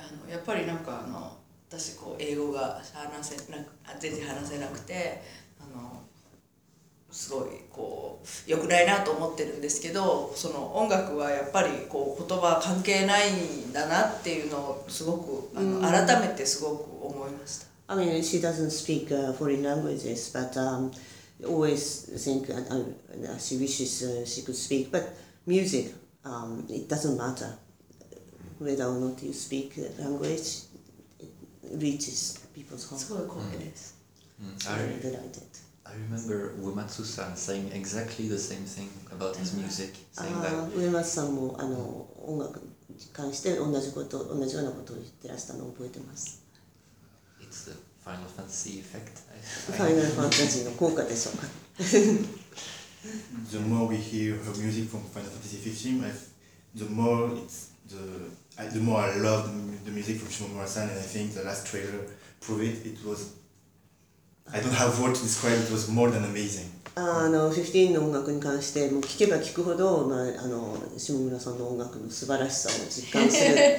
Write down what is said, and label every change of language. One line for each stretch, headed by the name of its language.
Japanese: やっぱりなんか私こう英語が話せなく全然話せなくてすごいこう良くないなと思ってるんですけど、その音楽はやっぱりこう言葉関係ないんだなっていうのをすごく改めてすごく思いました。
English: I mean, she doesn't speak foreign languages, but always think she wishes she could speak. But music, it doesn't matter whether or not you speak language, it reaches people's hearts.
Japanese: すごい光栄です。
English: Delighted. I remember Uematsu-san saying exactly the same thing about his music, saying that.
Japanese: Uematsu-san も音楽に関して同じこと同じようなことを言ってらしたのを覚えてます。
English: It's the Final Fantasy effect.
Japanese: Final Fantasy の効果でしょうか。
English: The more we hear her music from Final Fantasy 15, the more I love the music from Shimomura-san, and I think the last trailer proved it. It was, I don't have words to describe. It was more than amazing.
Japanese: 15の音楽に関して、もう聞けば聞くほど、まあ下村さんの音楽の素晴らしさを実感する。